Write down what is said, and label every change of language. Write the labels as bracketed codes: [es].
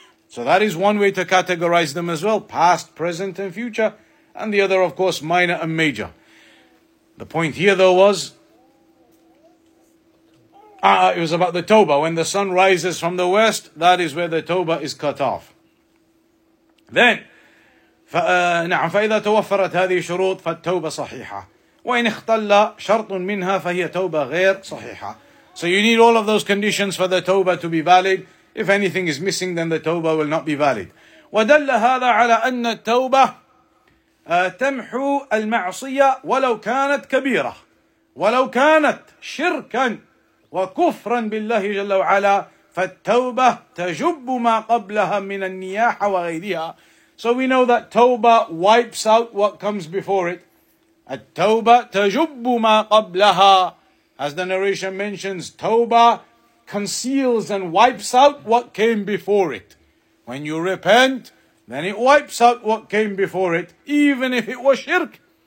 [en] So that is one way to categorize them as well. Past, present, and future. And the other, of course, minor and major. The point here, though, was it was about the Tawbah. When the sun rises from the west, that is where the Tawbah is cut off. Then, [ar] نعم فإذا توفرت هذه شروط فالتوبة صحيحة وإن اختل شرط منها فهي توبة غير صحيحة. [en] So you need all of those conditions for the Tawbah to be valid. If anything is missing, then the Tawbah will not be valid. [ar] ودل هذا على أن التوبة تمحو المعصية ولو كانت كبيرة ولو كانت شركا وكفرا بالله جل وعلا فالتوبة تجب ما قبلها من النياحة وغيرها. [en] So we know that Tawbah wipes out what comes before it. [ar] At-Tawbah تجب ما قبلها. [en] As the narration mentions, Tawbah conceals and wipes out what came before it. When you repent, then it wipes out what came before it, even if it was shirk.